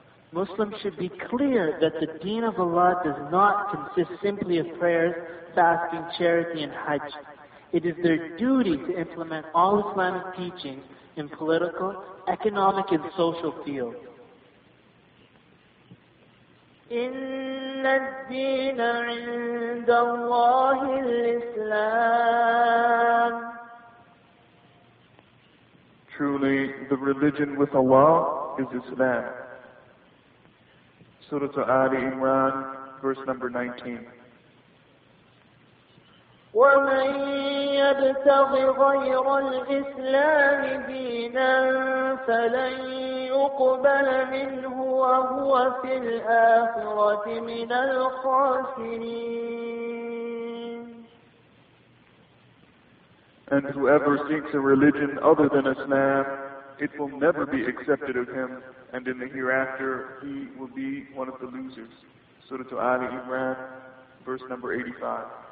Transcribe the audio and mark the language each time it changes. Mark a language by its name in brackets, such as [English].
[English] Muslims should be clear that the deen of Allah does not consist simply of prayers, fasting, charity, and hajj. It is their duty to implement all Islamic teachings in political, economic, and social fields. [Arabic] إن الدين عند الله الإسلام. [English] Truly, the religion with Allah is Islam. Surah Ali Imran, verse number 19. [Arabic] ومن يبتغ غير الإسلام دينا فلن يقبل منه وهو في الآخرة من الخاسرين. [English] And whoever seeks a religion other than Islam, it will never be accepted of him, and in the hereafter he will be one of the losers. Surah Ali Imran, verse number 85.